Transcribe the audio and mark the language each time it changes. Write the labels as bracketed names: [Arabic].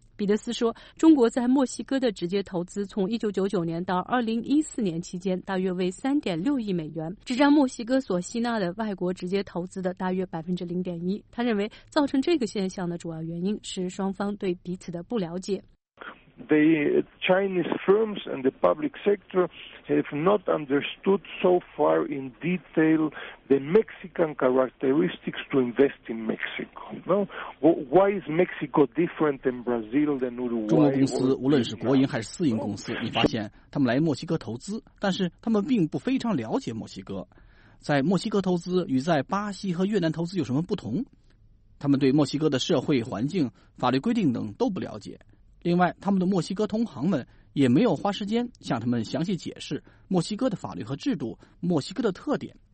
[Chinese] 彼得斯说，中国在墨西哥的直接投资从1999年到2014年期间大约为3.6亿美元，只占墨西哥所吸纳的外国直接投资的大约0.1%。他认为造成这个现象的主要原因是双方对彼此的不了解。 [English] The Chinese firms and the public sector have not understood so far in detail the Mexican characteristics to invest in Mexico. Well, why is Mexico different than Brazil than Uruguay? [Chinese] 中国公司无论是国营还是私营公司，你发现他们来墨西哥投资，但是他们并不非常了解墨西哥。在墨西哥投资与在巴西和越南投资有什么不同？他们对墨西哥的社会环境、法律规定等都不了解。另外，他们的墨西哥同行们也没有花时间向他们详细解释墨西哥的法律和制度、墨西哥的特点。